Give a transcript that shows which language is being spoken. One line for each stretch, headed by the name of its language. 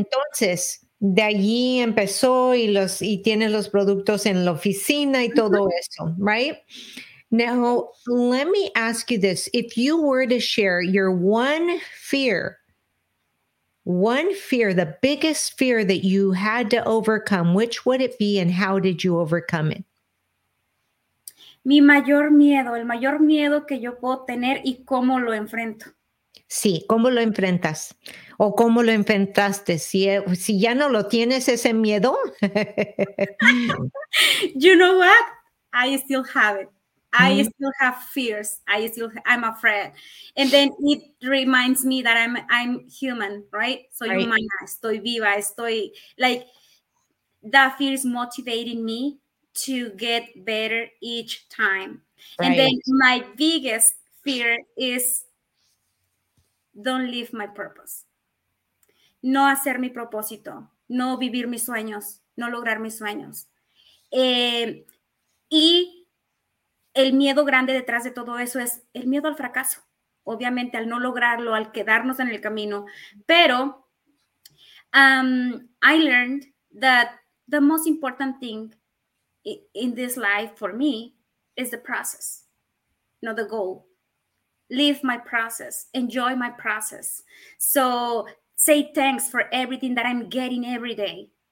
Spanish: Entonces, de allí empezó y tiene los productos en la oficina y todo eso, right?
English: Now, let me ask you this. If you were to share your one fear, the biggest fear that you had to overcome, which would it be and how did you overcome it?
Spanish: Mi mayor miedo, el mayor miedo que yo puedo tener y cómo lo enfrento. Sí, ¿cómo lo enfrentas? ¿O cómo lo enfrentaste? Si ya no lo tienes ese miedo.
English: You know what? I still have it. I still have fears. I'm afraid. And then it reminds me that I'm human, right?
Spanish: Soy humana, estoy viva,
English: that fear is motivating me to get better each time. Right. And then my biggest fear is don't live my purpose.
Spanish: No hacer mi propósito, no vivir mis sueños, no lograr mis sueños. Y el miedo grande detrás de todo eso es el miedo al fracaso. Obviamente, al no lograrlo, al quedarnos en el camino.
English: Pero I learned that the most important thing in this life for me is the process, not the goal. Live my process, enjoy my process. So say thanks for everything that I'm getting every day.